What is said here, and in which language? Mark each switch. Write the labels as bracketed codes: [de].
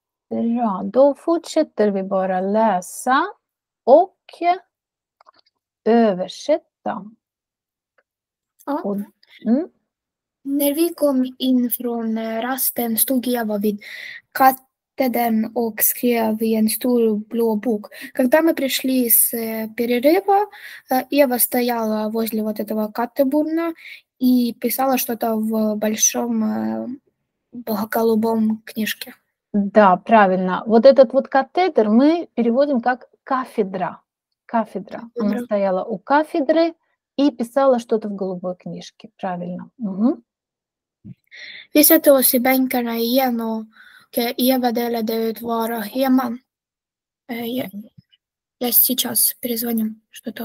[sv] Bra, då fortsätter vi bara läsa och översätta. Ja. Och, När vi kom in från rasten stod Eva vid katedern och skrev i en stor blå bok. [ru] Когда мы пришли с перерыва, Ева стояла возле вот этого катебурна и писала что-то в большом голубом книжке. Да, правильно. Вот этот вот катетер мы переводим как кафедра. Кафедра. Она Добро. стояла у кафедры и писала что-то в голубой книжке. Правильно. [sv] Vi sätter oss i bänkarna igen och Eva delade ut våra scheman. Jag [ru] сейчас перезвоню, что-то.